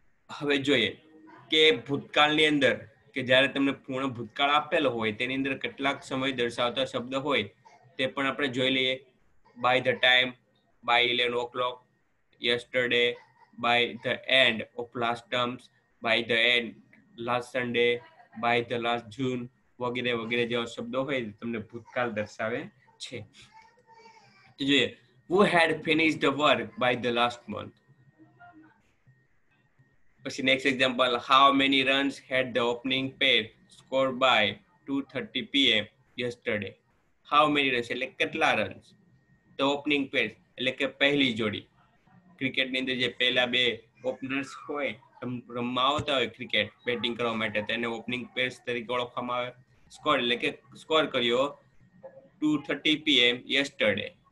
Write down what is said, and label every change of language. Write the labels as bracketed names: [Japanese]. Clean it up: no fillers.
[Gujarati] હવે જોઈએ કે ભૂતકાળની અંદર કે જ્યારે તમને પૂર્ણ ભૂતકાળ આપેલો હોય તેની અંદર કેટલાક સમય દર્શાવતા શબ્દ હોય તે પણ આપણે જોઈ લઈએ. [English] by the time, by 11 o'clock, yesterday, by the end of last terms, by the end last Sunday, by the last June [Gujarati] વગેરે વગેરે જેવા શબ્દો હોય તમને ભૂતકાળ દર્શાવે છે. જોઈએ [English] who had finished the work by the last month. [Gujarati] પછી [English] Next example how many runs had the opening pair scored by 2:30 pm yesterday. How many runs [Gujarati] એટલે કેટલા runs [English] the opening pair [Gujarati] એટલે કે પહેલી જોડી ક્રિકેટ ની અંદર જે પહેલા બે ઓપનર્સ હોય રમવા આવતા હોય ક્રિકેટ બેટિંગ કરવા માટે તેને ઓપનિંગ પેર્સ તરીકે ઓળખવામાં આવે. સ્કોર એટલે કે સ્કોર કર્યો [English] 2:30 PM yesterday.